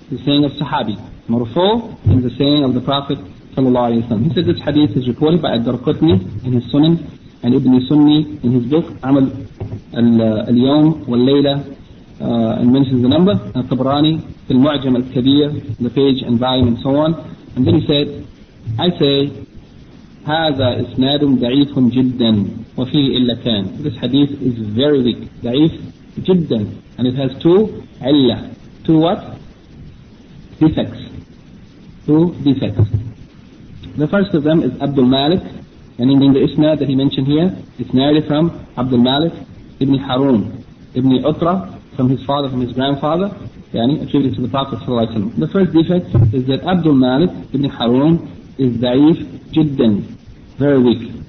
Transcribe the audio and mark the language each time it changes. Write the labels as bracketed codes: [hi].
[en] The saying of Sahabi, Marufu, and the saying of the Prophet sallallahu alayhi wa sallam. He said this hadith is reported by Ad-Darqutni in his Sunan and Ibn Sunni in his book Amal al-Yawm wal-Layla, and mentions the number, Al-Tabrani, Al-Mu'jam al-Kabir, the page and volume and so on. And then he said, I say, [ar] هذا إسناد ضعيف جدا وفيه إلا كان. [en] This hadith is very weak, [ar] ضعيف جدا, [en] and it has two illa. Two what? Two defects. The first of them is Abdul Malik, and in the Isnad that he mentioned here, it's narrated from Abdul Malik Ibn Harun Ibn Utra from his father, from his grandfather, yani attributed to the Prophet sallallahu alaihi wasallam. The first defect is that Abdul Malik Ibn Harun is da'if jiddan, very weak.